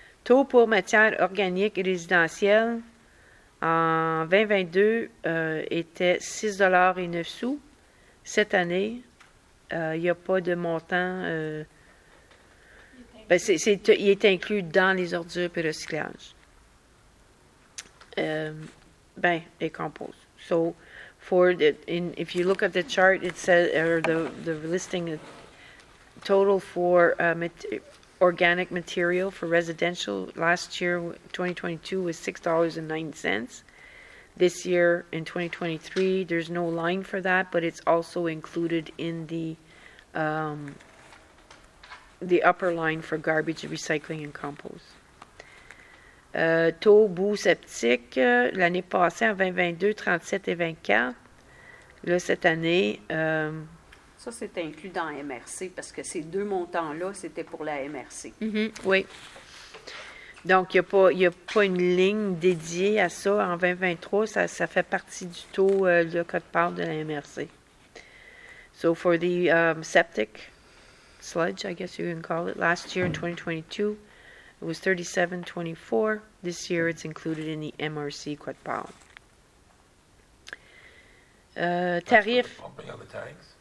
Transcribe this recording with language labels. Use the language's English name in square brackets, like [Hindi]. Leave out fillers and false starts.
[French] taux pour matière organique résidentielle en 2022 était 6,09 sous. Cette année, il n'y a pas de montant. Il est inclus dans les ordures et recyclage. Et compost. [English] So, if you look at the chart, it says, or the listing, total for organic material for residential last year, 2022, was $6.09. This year, in 2023, there's no line for that, but it's also included in the upper line for garbage, recycling, and compost. [French] Taux boue septique, l'année passée, en 2022, 37 et 24. Là, cette année... Ça, c'est inclus dans MRC, parce que ces deux montants-là, c'était pour la MRC. Mm-hmm. Oui. Donc, il n'y a pas une ligne dédiée à ça. En 2023, ça fait partie du taux là, quand on parle de la MRC. [English] So, for the septic sludge, I guess you can call it, last year in 2022... It was 37.24. This year, it's included in the MRC quad pile. [French] Tarif. [English] That's for the pumping of the tanks.